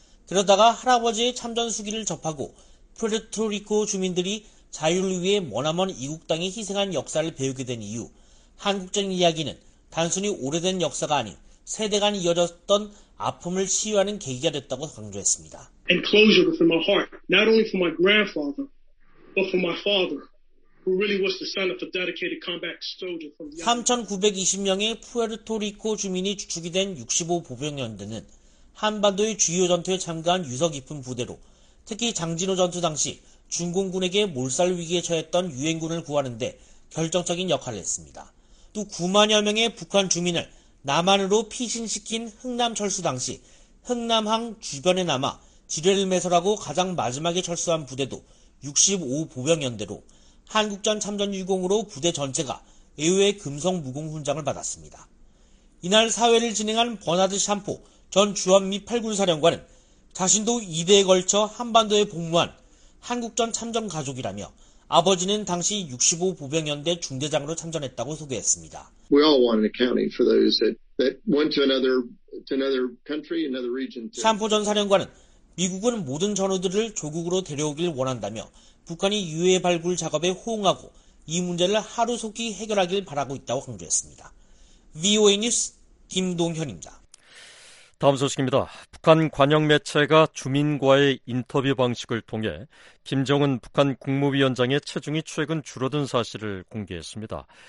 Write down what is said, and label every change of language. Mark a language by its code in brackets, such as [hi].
[ko] 그러다가 할아버지의 참전 수기를 접하고 푸에르토리코 주민들이 자유를 위해 머나먼 이국 땅에 희생한 역사를 배우게 된 이후 한국전 이야기는 단순히 오래된 역사가 아닌 세대 간 이어졌던 아픔을 치유하는 계기가 됐다고 강조했습니다. [en] And closure for my heart, not only for my grandfather, but for my father, who really was the son of the dedicated combat soldier from the [ko] 3,920명의 푸에르토리코 주민이 주축이 된 65보병연대는 한반도의 주요 전투에 참가한 유서 깊은 부대로 특히 장진호 전투 당시 중공군에게 몰살 위기에 처했던 유엔군을 구하는데 결정적인 역할을 했습니다. 또 9만여 명의 북한 주민을 남한으로 피신시킨 흥남 철수 당시 흥남항 주변에 남아 지뢰를 매설하고 가장 마지막에 철수한 부대도 65보병연대로 한국전 참전 유공으로 부대 전체가 애호의 금성 무공 훈장을 받았습니다. 이날 사회를 진행한 버나드 샴포 전 주한미 8군 사령관은 자신도 이대에 걸쳐 한반도에 복무한 한국전 참전 가족이라며 아버지는 당시 65보병연대 중대장으로 참전했다고 소개했습니다. [en] We all want an accounting for those that went to another country, another region. [ko] 샴포 전 사령관은 미국은 모든 전우들을 조국으로 데려오길 원한다며 북한이 유해 발굴 작업에 호응하고 이 문제를 하루속히 해결하길 바라고 있다고 강조했습니다. VOA 뉴스 김동현입니다. 다음 소식입니다. 북한 관영 매체가 주민과의 인터뷰 방식을 통해 김정은 북한 국무위원장의 체중이 최근 줄어든 사실을 공개했습니다.